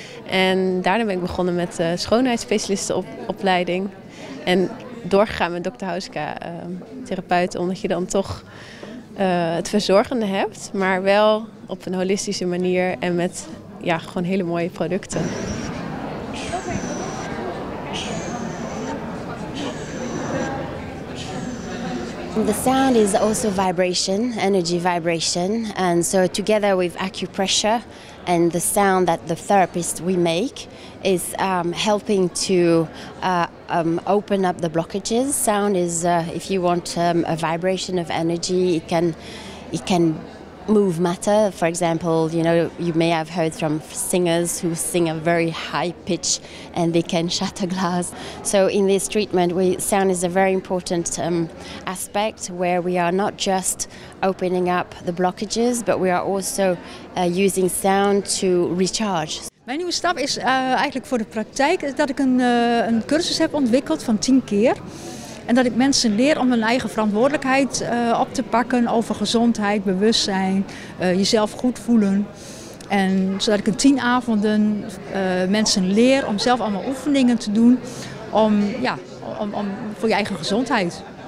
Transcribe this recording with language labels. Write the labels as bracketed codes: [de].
[nl] En daarna ben ik begonnen met de schoonheidsspecialistenopleiding. En doorgegaan met Dr. Hauska, therapeut, omdat je dan toch het verzorgende hebt. Maar wel op een holistische manier en met ja, gewoon hele mooie producten. [en] The sound is also vibration, energy vibration, and so together with acupressure and the sound that the therapist we make is helping to open up the blockages. Sound is, if you want a vibration of energy, it can move matter. For example, you know, you may have heard from singers who sing a very high pitch and they can shatter glass. So in this treatment, sound is a very important aspect where we are not just opening up the blockages, but we are also using sound to recharge. [nl] Mijn nieuwe stap is eigenlijk voor de praktijk dat ik een cursus heb ontwikkeld van 10 keer. En dat ik mensen leer om hun eigen verantwoordelijkheid op te pakken over gezondheid, bewustzijn, jezelf goed voelen. En zodat ik in 10 avonden mensen leer om zelf allemaal oefeningen te doen om voor je eigen gezondheid.